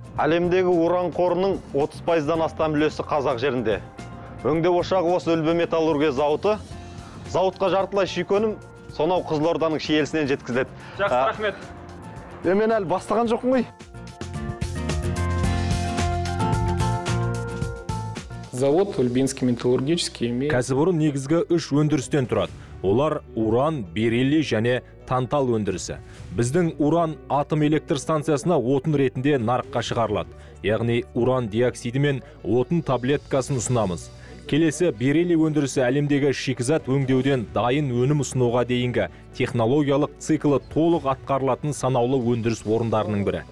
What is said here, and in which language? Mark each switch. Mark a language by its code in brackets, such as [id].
[kk] Әлемдегі уран қорының 30%-дан астам үлесі Қазақ жерінде. Өңдеу ошағы осы үлбі металлургия зауыты. Зауытқа жартылай шүйік өнім сонау Қызылорданың шиелісінен жеткізіледі. Жақсы, рахмет. Мен әлі бастаған жоқпын ғой. [ru] Завод Ульбинский металлургический имеет... [kk] Кәсіпорын негізгі үш өндірістен тұрады. Олар уран, бериллий және тантал өндірісі. Біздің уран атом электр станциясына отын ретінде нарыққа шығарылады. Яғни уран диоксиді мен отын таблеткасын ұсынамыз. Келесі бериллий өндірісі әлемдегі шикізат өңдеуден дайын өнім ұсынуға дейінгі технологиялық циклы толық атқарылатын санаулы өндіріс орындарының бірі.